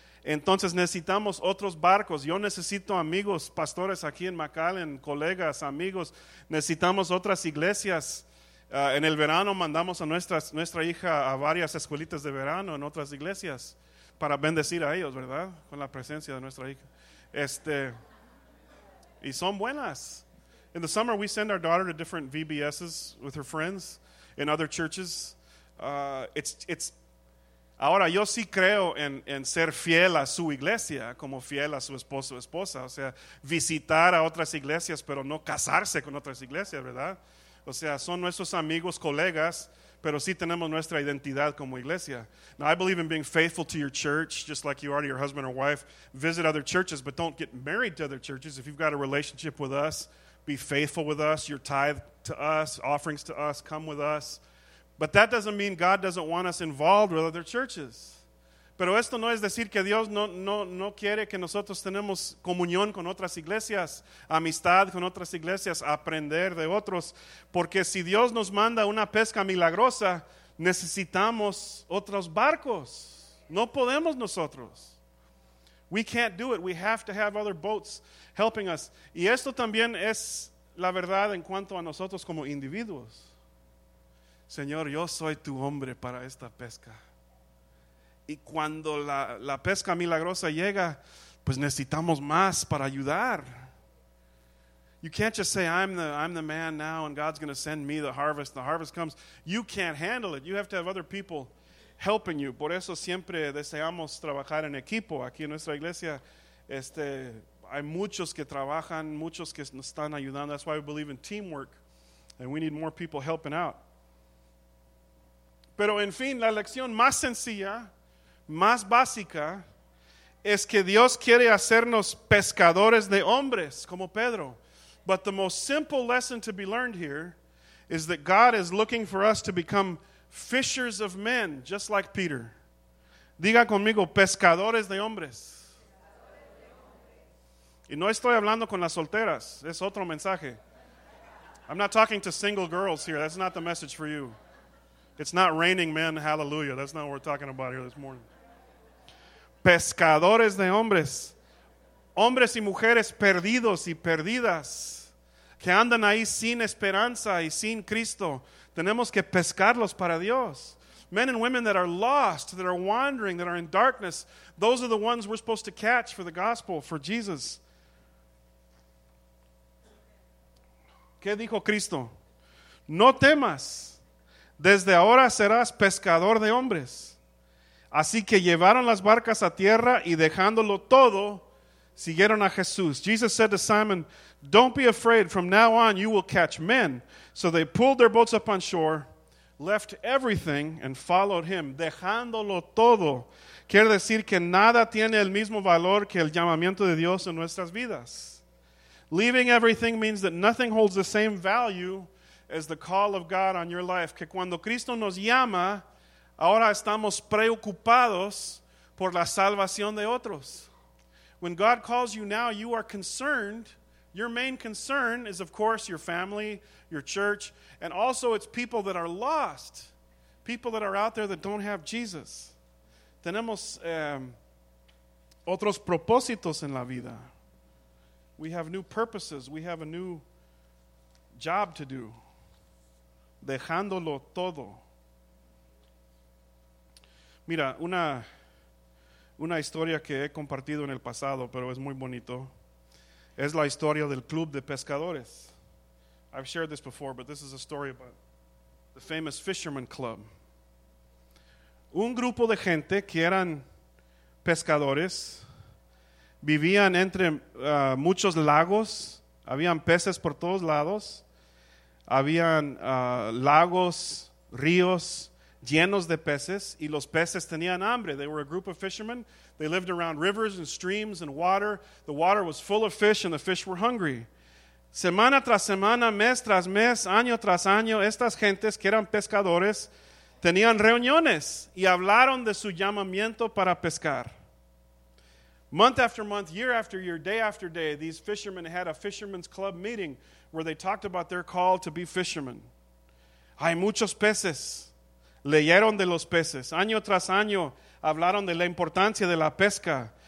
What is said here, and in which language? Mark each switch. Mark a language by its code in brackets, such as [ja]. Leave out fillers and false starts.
[es] Entonces necesitamos otros barcos. Yo necesito amigos, pastores aquí en McAllen, colegas, amigos. Necesitamos otras iglesias. En el verano mandamos a nuestra hija a varias escuelitas de verano en otras iglesias para bendecir a ellos, ¿verdad? Con la presencia de nuestra hija. Y son buenas. [en] In the summer we send our daughter to different VBSs with her friends in other churches. It's [es] ahora yo sí creo en ser fiel a su iglesia como fiel a su esposo o esposa. O sea, visitar a otras iglesias pero no casarse con otras iglesias, ¿verdad? O sea, son nuestros amigos, colegas, pero sí tenemos nuestra identidad como iglesia. [en] Now, I believe in being faithful to your church, just like you are to your husband or wife. Visit other churches, but don't get married to other churches. If you've got a relationship with us, be faithful with us, your tithe to us, offerings to us, come with us. But that doesn't mean God doesn't want us involved with other churches. [es] Pero esto no es decir que Dios no quiere que nosotros tenemos comunión con otras iglesias, amistad con otras iglesias, aprender de otros. Porque si Dios nos manda una pesca milagrosa, necesitamos otros barcos. No podemos nosotros. [en] We can't do it. We have to have other boats helping us. [es] Y esto también es la verdad en cuanto a nosotros como individuos. Señor, yo soy tu hombre para esta pesca. Y cuando la pesca milagrosa llega, pues necesitamos más para ayudar. [en] You can't just say, I'm the man now and God's going to send me the harvest. The harvest comes. You can't handle it. You have to have other people helping you. [es] Por eso siempre deseamos trabajar en equipo. Aquí en nuestra iglesia, hay muchos que trabajan, muchos que nos están ayudando. [en] That's why we believe in teamwork. And we need more people helping out. [es] Pero en fin, la lección más sencilla, más básica, es que Dios quiere hacernos pescadores de hombres, como Pedro. [en] But the most simple lesson to be learned here is that God is looking for us to become fishers of men, just like Peter. [es] Diga conmigo, pescadores de hombres. Y no estoy hablando con las solteras, es otro mensaje. [en] I'm not talking to single girls here, that's not the message for you. It's not raining men, hallelujah, that's not what we're talking about here this morning. [es] Pescadores de hombres, hombres y mujeres perdidos y perdidas, que andan ahí sin esperanza y sin Cristo. Tenemos que pescarlos para Dios. [en] Men and women that are lost, that are wandering, that are in darkness, those are the ones we're supposed to catch for the gospel, for Jesus. [es] ¿Qué dijo Cristo? No temas, desde ahora serás pescador de hombres. Así que llevaron las barcas a tierra y dejándolo todo, siguieron a Jesús. [en] Jesus said to Simon, don't be afraid, from now on you will catch men. So they pulled their boats up on shore, left everything and followed him. [es] Dejándolo todo. Quiere decir que nada tiene el mismo valor que el llamamiento de Dios en nuestras vidas. [en] Leaving everything means that nothing holds the same value as the call of God on your life. [es] Que cuando Cristo nos llama, ahora estamos preocupados por la salvación de otros. [en] When God calls you now, you are concerned. Your main concern is, of course, your family, your church, and also it's people that are lost, people that are out there that don't have Jesus. [es] Tenemos otros propósitos en la vida. [en] We have new purposes. We have a new job to do. [es] Dejándolo todo. Mira, una historia que he compartido en el pasado, pero es muy bonito, es la historia del Club de Pescadores. [en] I've shared this before, but this is a story about the famous Fisherman Club. [es] Un grupo de gente que eran pescadores, vivían entre muchos lagos, habían peces por todos lados, habían lagos, ríos, llenos de peces, y los peces tenían hambre. [en] They were a group of fishermen. They lived around rivers and streams and water. The water was full of fish, and the fish were hungry. [es] Semana tras semana, mes tras mes, año tras año, estas gentes que eran pescadores tenían reuniones y hablaron de su llamamiento para pescar. [en] Month after month, year after year, day after day, these fishermen had a fishermen's club meeting where they talked about their call to be fishermen. [es] Hay muchos peces. Leyeron de los peces. Año tras año hablaron de la importancia de la pesca.